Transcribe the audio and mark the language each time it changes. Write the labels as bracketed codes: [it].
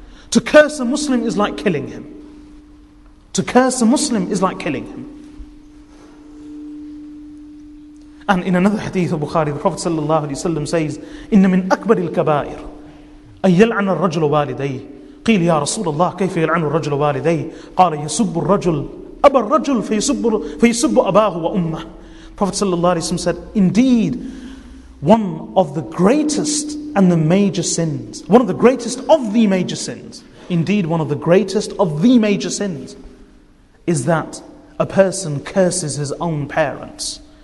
[en] To curse a Muslim is like killing him. To curse a Muslim is like killing him. And in another hadith of Bukhari, the Prophet sallallahu alaihi wasallam says, [ar] إِنَّ مِنْ أَكْبَرِ الْكَبَائِرِ أَنْ يَلْعَنَ الرَّجُلُ وَالِدَيْهِ. قيل يا رسول الله كيف يلعن الرجل والديه؟ قال يسب الرجل أبا الرجل فيسب أباه وأمه. [en] Prophet sallallahu alaihi wasallam said, indeed, one of the greatest and the major sins, one of the greatest of the major sins, indeed one of the greatest of the major sins, is that a person curses his own parents.